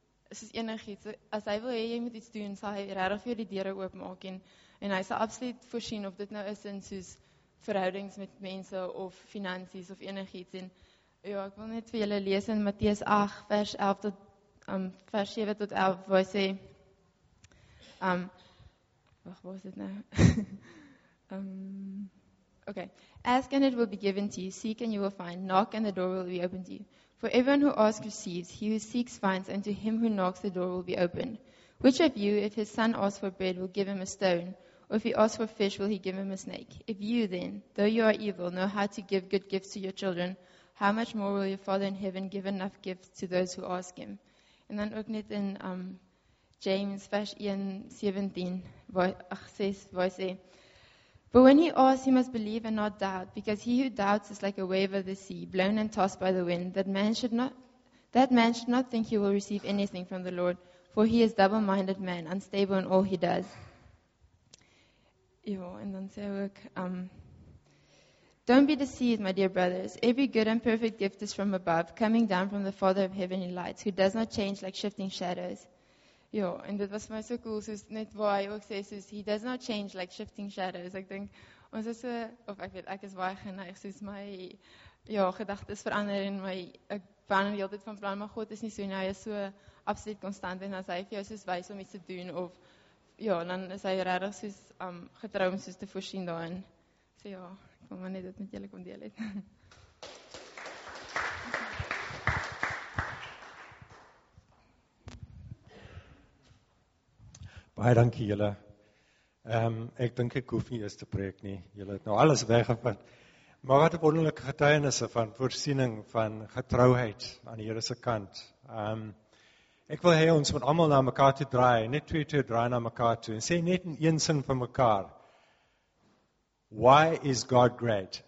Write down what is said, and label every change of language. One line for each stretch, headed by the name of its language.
Afrikaans: soos enig iets, as hy wil hee, jy moet iets doen, sal hy regtig vir die deure oopmaak, en hy sal absoluut voorsien, of dit nou is in soos, verhoudings met mense, of finansies, of enig iets, en ja, ek wil net vir julle lees in Matteus 8, vers 11 tot, vers 7 tot 11, waar hy sê, wacht, waar is dit nou?
English: Okay, ask and it will be given to you, seek and you will find, knock and the door will be opened to you. For everyone who asks receives, he who seeks finds, and to him who knocks the door will be opened. Which of you, if his son asks for bread, will give him a stone? Or if he asks for fish, will he give him a snake? If you then, though you are evil, know how to give good gifts to your children, how much more will your Father in heaven give enough gifts to those who ask him? And then
Afrikaans: ook net
English: in James 1:17, verse 6, but when he asks, he must believe and not doubt, because he who doubts is like a wave of the sea, blown and tossed by the wind. That man should not think he will receive anything from the Lord, for he is double-minded man, unstable in all he does.
Afrikaans: Ja, en dan sê ook,
English: don't be deceived, my dear brothers. Every good and perfect gift is from above, coming down from the Father of heavenly lights, who does not change like shifting shadows.
Afrikaans: Ja, en dit was my so cool, soos net waar hy ook sê, soos,
English: he does not change like shifting shadows.
Afrikaans: Ek denk, ons is so, of ek weet, ek is baie geneig, soos my, ja, gedagtes verander, en my, ek verander die hele tyd van plan, maar God is nie so, en hy is so absoluut constant, en as hy vir jou soos wys om iets te doen, of, ja, dan is hy redig soos, getrou om soos te voorsien daarin. So ja, ek wil maar net dit met julle kom deel het. Baie dankie julle. Ek dink ek hoef nie eers te preek nie. Julle het nou alles weggevat. Maar wat wonderlike getuienisse van voorsiening, van getrouheid aan die Here se kant. Ek wil hê ons moet allemaal na mekaar toe draai, net twee toe draai na mekaar toe, en sê net in een sin van mekaar,
English: why is God great?